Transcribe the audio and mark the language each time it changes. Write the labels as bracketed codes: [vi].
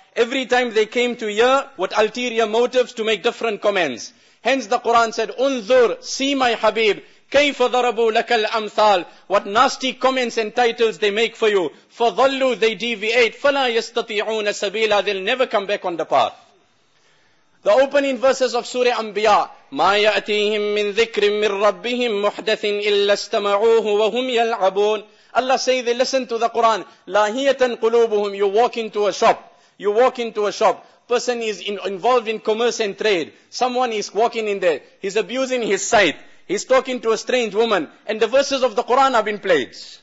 [en] Every time they came to hear what ulterior motives to make different comments. Hence the Quran said, Unzur, see my Habib, [ar] كَيْفَ ضَرَبُوا لَكَ الْأَمْثَالِ. [en] What nasty comments and titles they make for you. [ar] فَضَلُّوا, [en] they deviate. [ar] فَلَا يَسْتَطِيعُونَ سَبِيلًا. [en] They'll never come back on the path. The opening verses of Surah Anbiya, [ar] مَا يَأْتِيهِمْ مِنْ ذِكْرٍ مِنْ رَبِّهِمْ مُحْدَثٍ إِلَّا اسْتَمَعُوهُ وَهُمْ يَلْعَبُونَ. [en] Allah say they listen to the Quran. [ar] لَاهِيَةً قُلُوبُهُمْ. [en] You walk into a shop. You walk into a shop. Person is involved in commerce and trade. Someone is walking in there. He's abusing his sight. He's talking to a strange woman. And the verses of the Quran have been played.